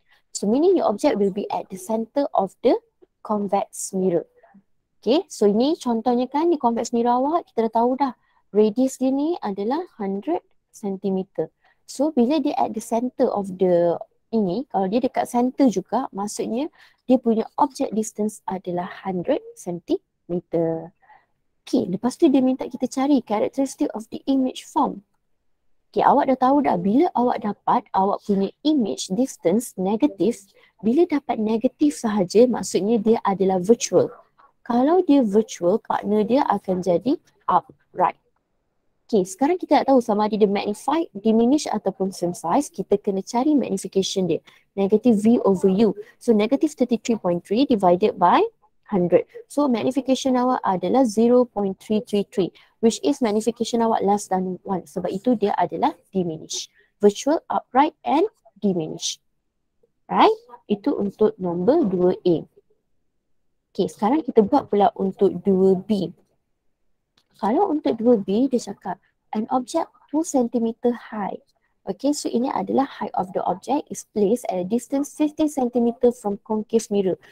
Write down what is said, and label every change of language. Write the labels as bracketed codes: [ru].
[en] So, meaning your object will be at the center of the convex mirror. [ms] Okay, so ini contohnya kan di convex mirror awak, kita dah tahu dah radius dia ni adalah 100 cm. So bila dia [en] at the center of the [ms] ini, kalau dia dekat center juga, maksudnya dia punya object distance adalah 100 cm. Okay, lepas tu dia minta kita cari [en] characteristic of the image form. [ms] Okay, awak dah tahu dah bila awak dapat awak punya image distance negatif, bila dapat negatif sahaja maksudnya dia adalah virtual. Kalau dia virtual, partner dia akan jadi upright. Okay, sekarang kita tak tahu sama ada dia magnify, diminish ataupun same size. Kita kena cari magnification dia. [en] Negative V over U. So, negative 33.3 divided by 100. [ms] So, magnification awak adalah 0.333, [en] which is [ms] magnification awak less than 1. Sebab itu dia adalah diminish. [en] Virtual, upright and diminish. [ms] Right? Itu untuk nombor 2A. Okay, sekarang kita buat pula untuk 2B. Kalau untuk 2B, dia cakap [en] an object 2 cm high. Okay, [ms] so ini adalah [en] height of the object is placed at a distance 15 cm from concave mirror.